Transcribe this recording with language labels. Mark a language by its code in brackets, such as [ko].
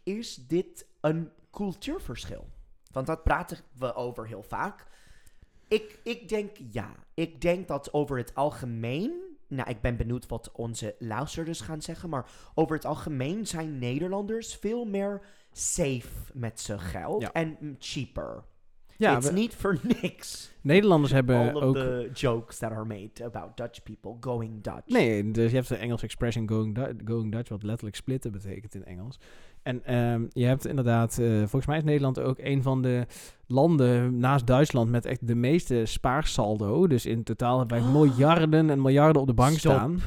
[nl] Is dit een cultuurverschil? Want dat praten we over heel vaak. Ik denk ja. Ik denk dat over het algemeen... Nou, ik ben benieuwd wat onze luisterders gaan zeggen. Maar over het algemeen zijn Nederlanders veel meer safe met z'n geld. Ja. En cheaper. Ja, it's niet voor niks. Nederlanders hebben [en] all of [nl] ook... [en] the jokes that are made about Dutch people going Dutch. [nl] Nee, dus je hebt de Engelse expression going Dutch, wat letterlijk splitten betekent in Engels. En je hebt inderdaad, volgens mij is Nederland ook een van de landen naast Duitsland met echt de meeste spaarsaldo. Dus in totaal hebben wij miljarden en miljarden op de bank staan.